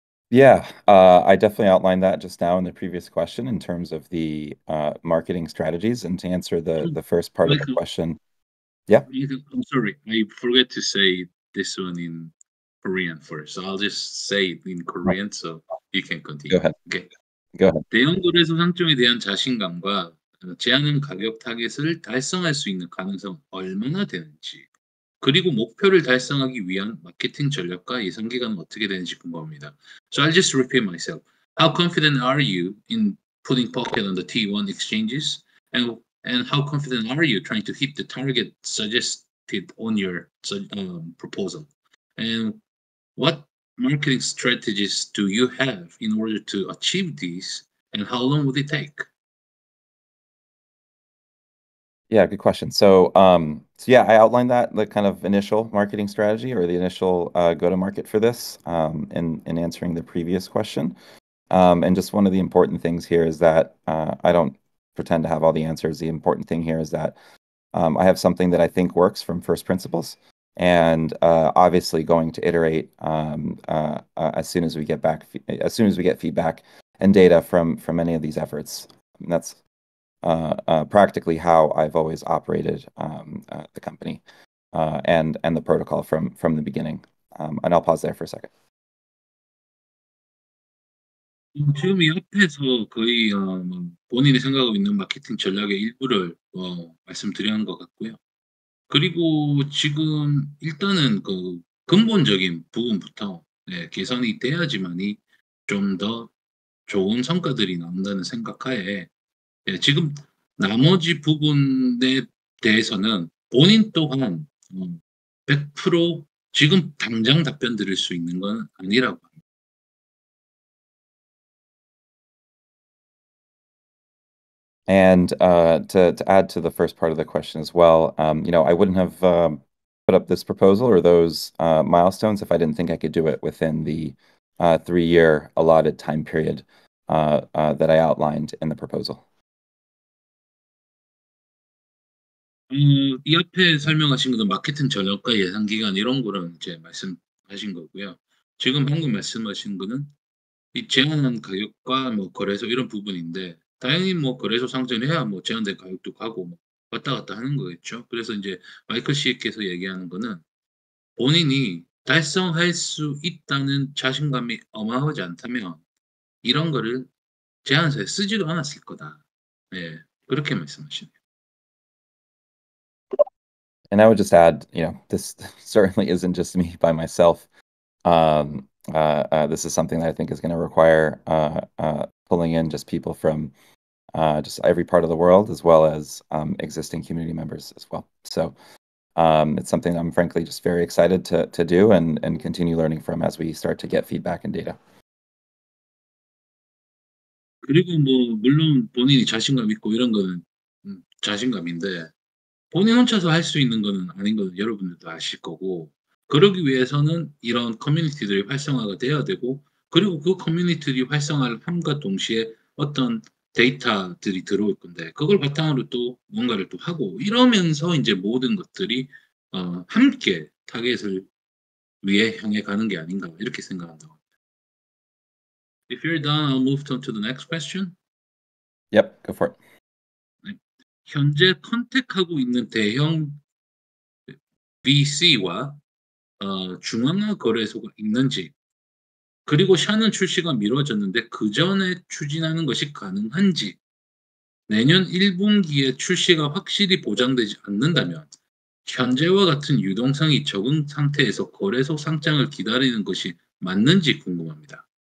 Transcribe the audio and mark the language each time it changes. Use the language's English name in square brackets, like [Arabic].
[English] Yeah, I definitely outlined that just now in the previous question in terms of the marketing strategies. And to answer the first part of the question. Yeah. I'm sorry, I forget to say this one in Korean first. I'll just say it in Korean, so you can continue. Go ahead. Okay. Go ahead. [Korean] 대형 거래소 상점에 대한 자신감과 제안한 가격 타겟을 달성할 수 있는 가능성 얼마나 되는지 그리고 목표를 달성하기 위한 마케팅 전략과 예상 기간은 어떻게 되는지 궁금합니다. [English] So I'll just repeat myself. How confident are you in putting Pocket on the T1 exchanges? And how confident are you trying to hit the target suggested on your proposal? And what marketing strategies do you have in order to achieve these? And how long would it take? Yeah, good question. So yeah, I outlined that the kind of initial marketing strategy or the initial go-to-market for this in answering the previous question. And just one of the important things here is that I don't pretend to have all the answers. The important thing here is that I have something that I think works from first principles. And obviously going to iterate as soon as we get back, as soon as we get feedback and data from any of these efforts. And that's practically how I've always operated the company and the protocol from the beginning. And I'll pause there for a second. [Korean] Zoom 옆에서 거의 본인이 생각하고 있는 마케팅 전략의 일부를 말씀드리는 것 같고요. 그리고 지금 일단은 그 근본적인 부분부터 네, 개선이 돼야지만이 좀 더 좋은 성과들이 나온다는 생각하에 네, 지금 나머지 부분에 대해서는 본인 또한 100% 지금 당장 답변 드릴 수 있는 건 아니라고 합니다. [English] And to add to the first part of the question as well, you know, I wouldn't have put up this proposal or those milestones if I didn't think I could do it within the 3-year allotted time period that I outlined in the proposal. [Korean] 이 앞에 설명하신 것은 마케팅 전략과 예상 기간 이런 거는 이제 말씀하신 거고요. 지금 방금 말씀하신 거는 이 제한한 가격과 뭐 거래소 이런 부분인데. 다행히 뭐 거래소 상전해야 뭐 제한된 가격도 가고 뭐 왔다 갔다 하는 거겠죠. 그래서 이제 마이클 씨께서 얘기하는 거는 본인이 달성할 수 있다는 자신감이 어마어마하지 않다면 이런 거를 제안서에 쓰지도 않았을 거다. 예, 네, 그렇게 말씀하시네요. [English] And I would just add, you know, this certainly isn't just me by myself. This is something that I think is going to require pulling in just people from just every part of the world, as well as existing community members as well. So it's something I'm frankly just very excited to do and continue learning from as we start to get feedback and data. [Korean] 그리고 뭐 물론 본인이 자신감 있고 이런 거는 자신감인데 본인 혼자서 할 수 있는 거는 아닌 거 여러분들도 아실 거고 그러기 위해서는 이런 커뮤니티들이 활성화가 돼야 되고 그리고 그 커뮤니티들이 활성화함과 동시에 어떤 데이터들이 들어올 건데 그걸 바탕으로 또 뭔가를 또 하고 이러면서 이제 모든 것들이 함께 타겟을 위해 향해 가는 게 아닌가 이렇게 생각한다고 합니다. [English] If you're done, I'll move on to the next question. Yep, go for it. [Korean] 현재 컨택하고 있는 대형 VC와 중앙화 거래소가 있는지 그리고 샤넨 출시가 미뤄졌는데 그 전에 추진하는 것이 가능한지 내년 1분기에 출시가 확실히 보장되지 않는다면 현재와 같은 유동성이 적은 상태에서 거래소 상장을 기다리는 것이 맞는지 궁금합니다.